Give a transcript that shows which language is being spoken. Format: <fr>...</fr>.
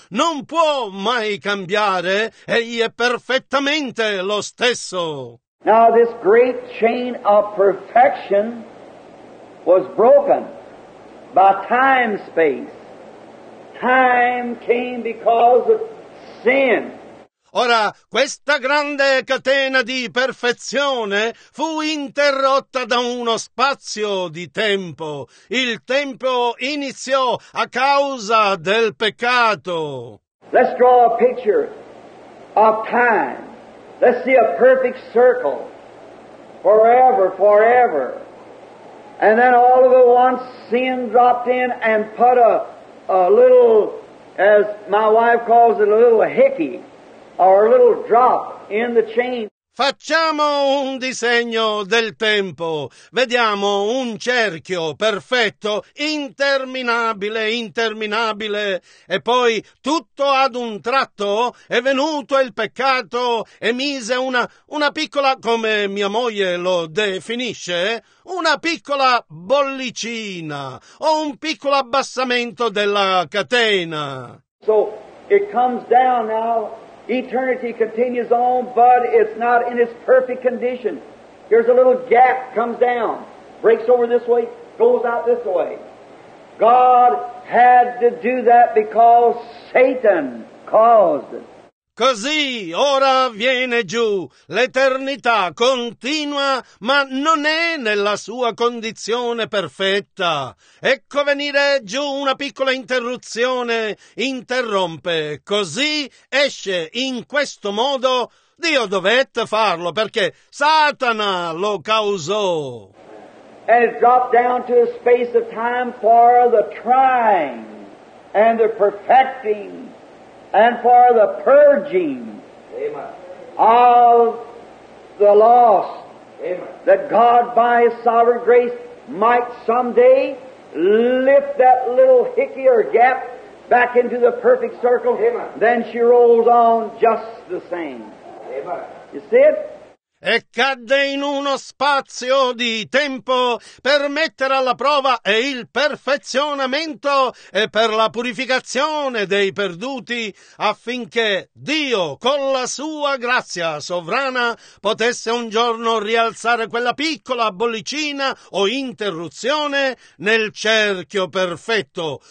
<it>Non può mai cambiare, egli è perfettamente lo stesso.</it> <en>Now this great chain of perfection was broken by time space. Time came because of sin.</en> <it>Ora, questa grande catena di perfezione fu interrotta da uno spazio di tempo. Il tempo iniziò a causa del peccato.</it> <en>Let's draw a picture of time. Let's see a perfect circle forever, forever. And then all of a once sin dropped in and put a little, as my wife calls it, a little hickey, or a little drop in the chain.</en> <it>Facciamo un disegno del tempo. Vediamo un cerchio perfetto, interminabile, interminabile. E poi, tutto ad un tratto, è venuto il peccato e mise una piccola, come mia moglie lo definisce, una piccola bollicina o un piccolo abbassamento della catena.</it> <en>So, it comes down now. Eternity continues on, but it's not in its perfect condition. Here's a little gap, comes down, breaks over this way, goes out this way. God had to do that because Satan caused it.</en> <it>Così ora viene giù, l'eternità continua, ma non è nella sua condizione perfetta. Ecco venire giù una piccola interruzione, interrompe, così esce in questo modo. Dio dovette farlo perché Satana lo causò.</it> <en>And it dropped down to a space of time for the trying and the perfecting. And for the purging. Amen. Of the lost. Amen. That God by His sovereign grace might someday lift that little hickey or gap back into the perfect circle. Amen. Then she rolls on just the same. Amen. You see it?</en> <it>E cadde in uno spazio di tempo per mettere alla prova e il perfezionamento e per la purificazione dei perduti affinché Dio con la sua grazia sovrana potesse un giorno rialzare quella piccola bollicina o interruzione nel cerchio perfetto.</it>